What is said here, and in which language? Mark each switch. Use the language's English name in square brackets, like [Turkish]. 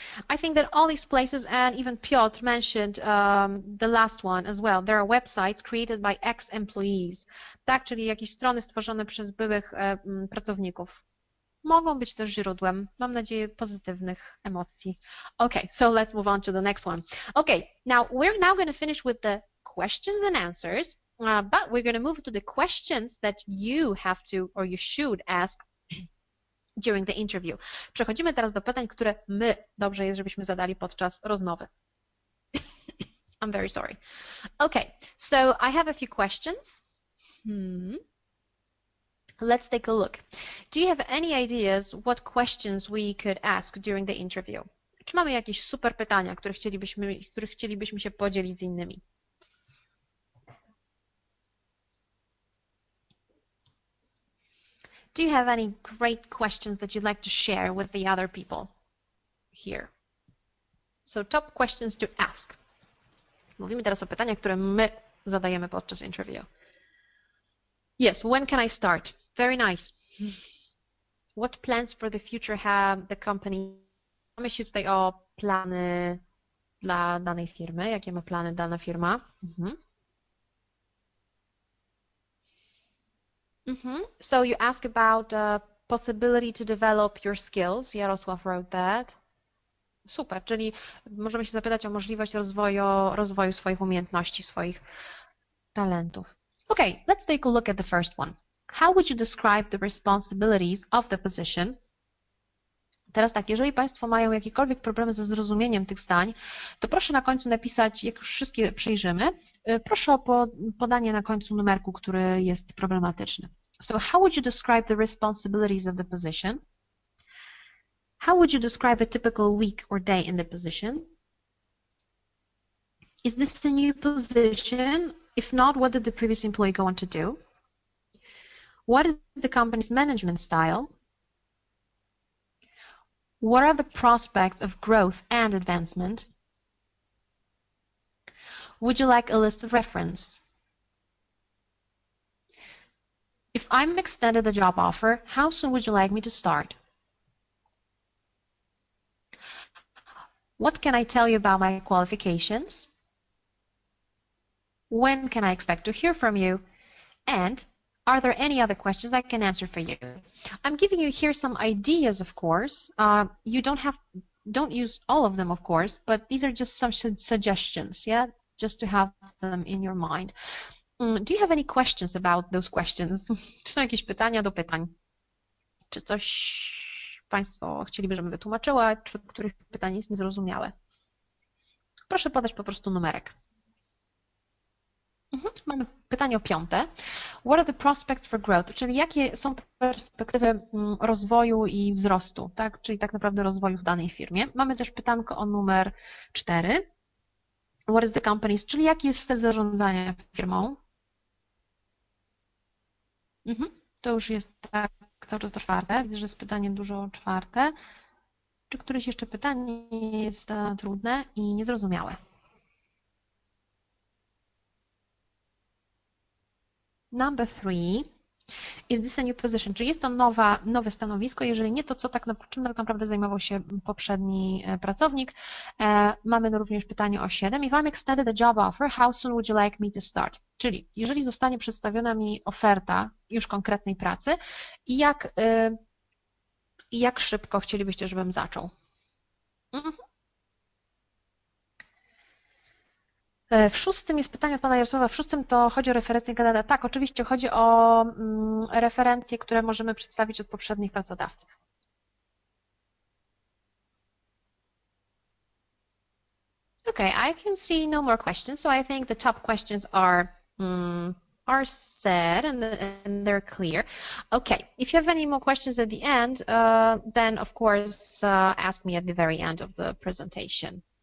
[English] I think that all these places, and even Piotr mentioned the last one as well, there are websites created by ex-employees. [Polish] Tak, czyli jakieś strony stworzone przez byłych pracowników. Mogą być też źródłem, mam nadzieję, pozytywnych emocji. [English] Okay, so let's move on to the next one. Okay, now we're now going to finish with the questions and answers, but we're going to move to the questions that you have to, or you should ask, during the interview. [Polish] Przechodzimy teraz do pytań, które my dobrze jest, żebyśmy zadali podczas rozmowy. [English] I'm very sorry. Okay, so I have a few questions. Let's take a look. Do you have any ideas what questions we could ask during the interview? [Polish] Czy mamy jakieś super pytania, które chcielibyśmy się podzielić z innymi? [English] Do you have any great questions that you'd like to share with the other people here? So top questions to ask. [Polish] Mówimy teraz o pytaniach, które my zadajemy podczas interview. [English] Yes, when can I start? Very nice. What plans for the future have the company? [Polish] Mamy się tutaj o plany dla danej firmy. Jakie ma plany dana firma? Mhm. [English] So you ask about the possibility to develop your skills. Jarosław wrote that. [Polish] Super, czyli możemy się zapytać o możliwość rozwoju swoich umiejętności, swoich talentów. [English] Okay, let's take a look at the first one. How would you describe the responsibilities of the position? [Polish] Teraz tak, jeżeli Państwo mają jakiekolwiek problemy ze zrozumieniem tych zdań, to proszę na końcu napisać, jak już wszystkie przejrzymy, proszę o podanie na końcu numerku, który jest problematyczny. [English] So how would you describe the responsibilities of the position? How would you describe a typical week or day in the position? Is this a new position? If not, what did the previous employee go on to do? What is the company's management style? What are the prospects of growth and advancement? Would you like a list of reference? If I'm extended the job offer, how soon would you like me to start? What can I tell you about my qualifications? When can I expect to hear from you? And are there any other questions I can answer for you? I'm giving you here some ideas, of course. Don't use all of them, of course, but these are just some suggestions, yeah? Just to have them in your mind. Do you have any questions about those questions? [Polish] Czy są jakieś pytania do pytań? Czy coś Państwo chcieliby, żebym wytłumaczyła, czy których pytań jest niezrozumiałe? Proszę podać po prostu numerek. Mamy pytanie o piąte. [English] What are the prospects for growth? [Polish] Czyli jakie są perspektywy rozwoju i wzrostu, tak? Czyli tak naprawdę rozwoju w danej firmie. Mamy też pytanko o numer 4. [English] What is the company's, [Polish] czyli jaki jest styl zarządzania firmą? To już jest tak cały czas to czwarte. Widzę, że jest pytanie dużo czwarte. Czy któreś jeszcze pytanie jest trudne i niezrozumiałe? [English] Number three, is this a new position? [Polish] Czy jest to nowe stanowisko? Jeżeli nie, to co tak, czym tak naprawdę zajmował się poprzedni pracownik? Mamy również pytanie o 7. [English] If I'm extended the job offer, how soon would you like me to start? [Polish] Czyli jeżeli zostanie przedstawiona mi oferta już konkretnej pracy, jak szybko chcielibyście, żebym zaczął? W szóstym jest pytanie od pana Jarosława. W szóstym to chodzi o referencje kandydata. Tak, oczywiście chodzi o referencje, które możemy przedstawić od poprzednich pracodawców. [English] Okay, I can see no more questions, so I think the top questions are said and they're clear. Okay, if you have any more questions at the end, then of course ask me at the very end of the presentation.